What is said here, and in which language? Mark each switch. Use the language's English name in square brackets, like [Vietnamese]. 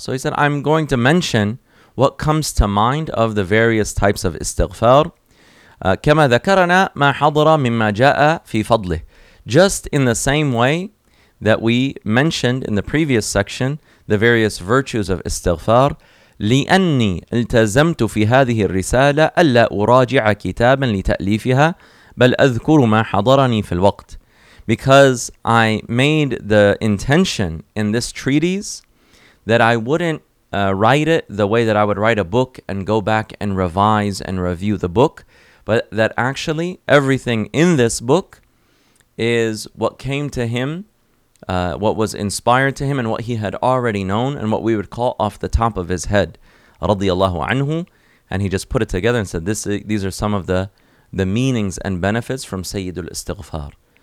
[English] So he said, I'm going to mention what comes to mind of the various types of istighfar. [Arabic] كَمَا ذَكَرَنَا مَا حَضَرَ مِمَّا جَاءَ فِي فَضْلِهِ. [English] Just in the same way that we mentioned in the previous section, the various virtues of istighfar. [Arabic] لأني التزمت في هذه الرسالة ألا أراجع كتابا لتأليفها بل أذكر ما حضرني في الوقت. [English] Because I made the intention in this treatise that I wouldn't write it the way that I would write a book and go back and revise and review the book, but that actually everything in this book is what came to him, what was inspired to him, and what he had already known, and what we would call off the top of his head, radiyallahu anhu, and he just put it together and said, "These are some of the meanings and benefits from Sayyidul Istighfar."